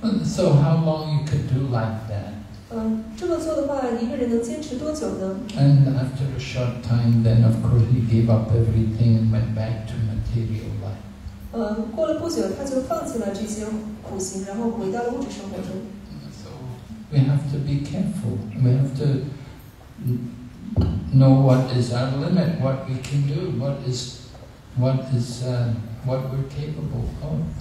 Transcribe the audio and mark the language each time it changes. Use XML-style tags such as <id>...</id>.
<en>So how long you could do like that?</en> <zh>这么做的话，一个人能坚持多久呢？</zh> <en>And after a short time, then of course he gave up everything and went back to material life.</en> <zh>过了不久，他就放弃了这些苦行，然后回到了物质生活中。</zh> <en>So we have to be careful. We have to know what is our limit, what we can do, what is what we're capable of.</en>